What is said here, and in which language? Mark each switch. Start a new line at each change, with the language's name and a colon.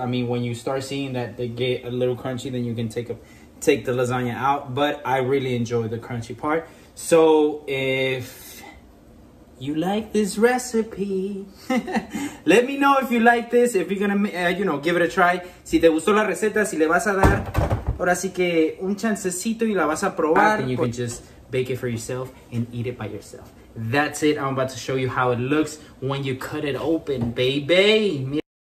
English: I mean, when you start seeing that they get a little crunchy, then you can take the lasagna out. But I really enjoy the crunchy part. So if you like this recipe, let me know if you like this, if you're going to, you know, give it a try.
Spanish: Si te gustó la receta, si le vas a dar, ahora sí que un chancecito y la vas a probar.
English: Then you can just... bake it for yourself and eat it by yourself. That's it. I'm about to show you how it looks when you cut it open, baby.